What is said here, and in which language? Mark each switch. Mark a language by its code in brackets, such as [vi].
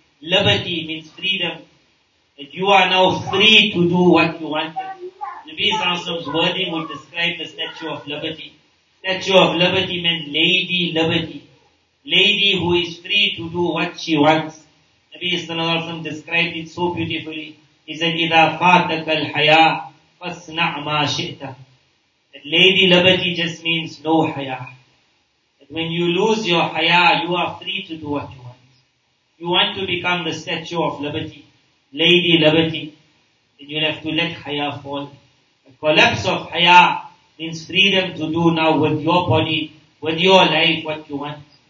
[en] liberty means freedom. That you are now free to do what you want. Nabi Sallam's wording would describe the Statue of Liberty. Statue of Liberty meant Lady Liberty. Lady who is free to do what she wants. Nabi Sallam described it so beautifully. He said, [ar] إِذَا فَاتَكَ الْحَيَا فَاسْنَعْ مَا شِئْتَ. [en] That Lady Liberty just means no haya. That when you lose your haya, you are free to do what you want. You want to become the Statue of Liberty. Lady Liberty, then you'll have to let haya fall. A collapse of haya means freedom to do now with your body, with your life, what you want.